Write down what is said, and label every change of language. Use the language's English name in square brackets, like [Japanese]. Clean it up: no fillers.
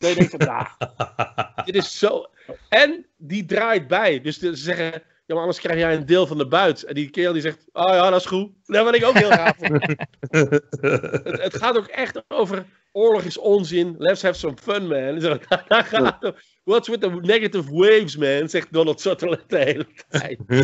[Dutch] Nee, denk van, ja, dit is zo. En die draait bij. Dus ze zeggen, ja, maar anders krijg jij een deel van de buit. En die kerel die zegt, oh ja, dat is goed. Daar ben ik ook heel graag voor. Het gaat ook echt over oorlog is onzin. [English] Let's have some fun, man. [Dutch] Zo, daar gaat het. [English] What's with the negative waves, man? [Dutch] Zegt Donald Sutherland de hele tijd.